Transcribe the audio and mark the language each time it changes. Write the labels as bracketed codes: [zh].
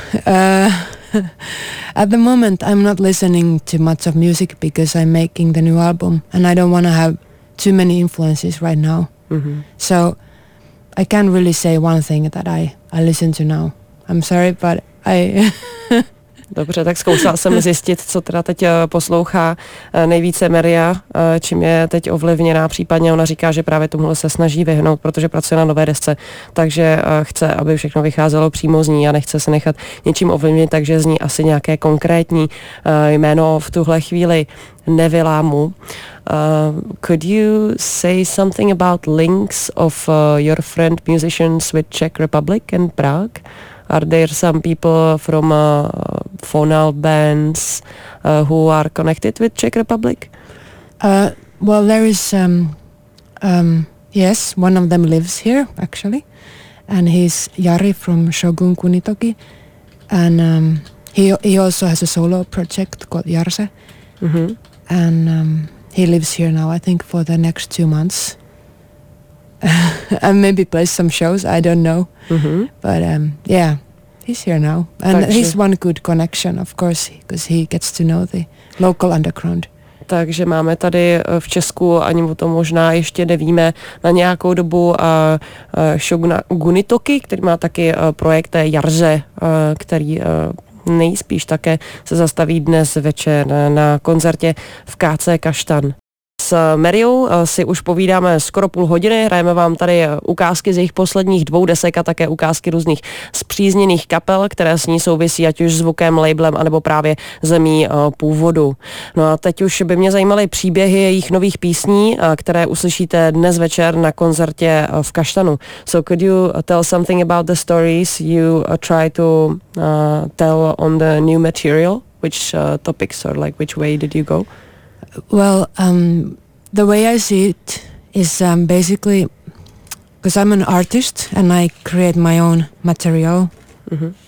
[en] At the moment, I'm not listening to much of music because I'm making the new album and I don't want to have too many influences right now. Mm-hmm. So I can't really say one thing that I listen to now. I'm sorry, but I... [cs] Dobře, tak zkoušela jsem zjistit, co teda teď poslouchá nejvíce Maria, čím je teď ovlivněná, případně ona říká, že právě tomuhle se snaží vyhnout, protože pracuje na nové desce, takže chce, aby všechno vycházelo přímo z ní a nechce se nechat něčím ovlivnit, takže z ní asi nějaké konkrétní jméno v tuhle chvíli nevylámu. [en] Could you say something about links of your friend musicians with Czech Republic and Prague? Are there some people from phonal bands who are connected with Czech Republic? Well, there is, yes, one of them lives here, actually. And he's Jari from Shogun Kunitoki. And he also has a solo project called Jarse. Mm-hmm. And he lives here now, I think, for the next 2 months. And maybe plays some shows, I don't know. Mm-hmm. But, yeah. He's here now, and takže, he's one good connection, of course, because he gets to know the local underground. [cs] Takže máme tady v Česku, ani o tom možná ještě nevíme, na nějakou dobu Shoguna Kunitoki, který má taky projekt Jarze, který nejspíš také se zastaví dnes večer na koncertě v KC Kaštan. S Mariou si už povídáme skoro půl hodiny, hrajeme vám tady ukázky z jejich posledních dvou desek a také ukázky různých zpřízněných kapel, které s ní souvisí ať už zvukem, labelem, anebo právě zemí původu. No a teď už by mě zajímaly příběhy jejich nových písní, které uslyšíte dnes večer na koncertě v Kaštanu. [en] So could you tell something about the stories you try to tell on the new material? Which topics or like which way did you go? Well, the way I see it is basically, because I'm an artist and I create my own material, mm-hmm.